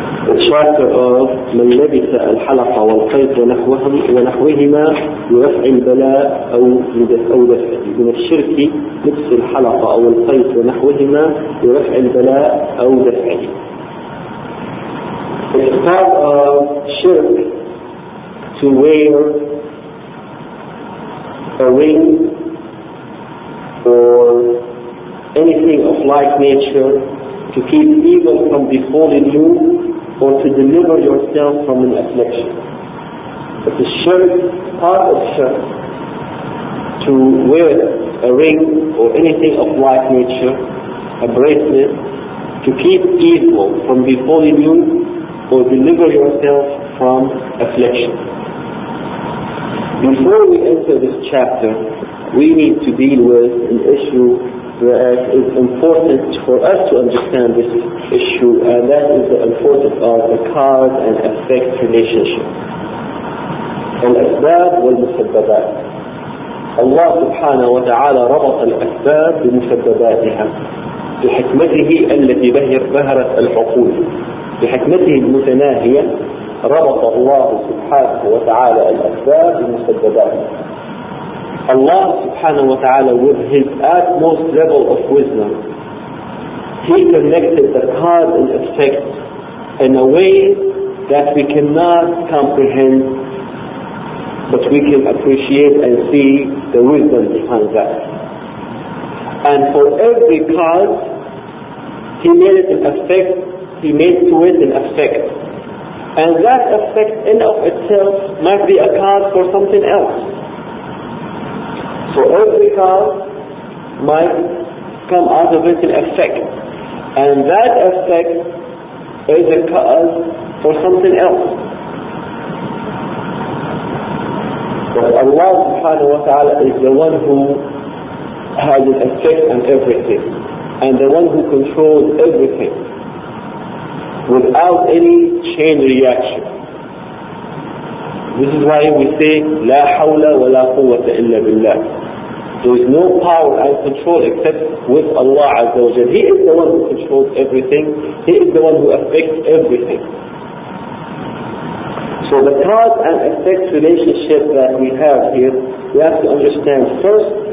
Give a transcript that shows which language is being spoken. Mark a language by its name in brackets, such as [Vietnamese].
[Arabic] الشاكر أرض من لبث الحلقة والقيد ونحوهما لرفع البلاء أو لدفعه من الشرك لبس الحلقة أو القيد ونحوهما لرفع البلاء أو دفعه. [English] It's part of shirk to wear a ring or anything of like nature to keep evil from befalling you or to deliver yourself from an affliction. It's a shirk, part of shirk, to wear a ring or anything of like nature, a bracelet, to keep evil from befalling you or deliver yourself from affliction. Before we enter this chapter, we need to deal with an issue that is important for us to understand this issue, and that is the importance of the cause and effect relationship. [Arabic] Al-asbab wal-musabbabat. Allah subhanahu wa ta'ala ربط الأسباب بمسبباتها بحكمته التي بهرت العقول بحكمته المتناهية. ربط الله سبحانه وتعالى الأسباب بمسبباتها. [English] Allah subhanahu wa ta'ala with his utmost level of wisdom, he connected the cause and effect in a way that we cannot comprehend, but we can appreciate and see the wisdom behind that. And for every cause, he made it an effect, he made to it an effect. And that effect in and of itself might be a cause for something else. So every cause might come out of it an effect, and that effect is a cause for something else. But Allah subhanahu wa ta'ala is the one who has an effect on everything, and the one who controls everything without any chain reaction. This is why we say [Arabic] لا حول ولا قوة إلا بالله. [English] There is no power and control except with Allah Azza wa Jalla. He is the one who controls everything. He is the one who affects everything. So the cause and effect relationship that we have here, we have to understand first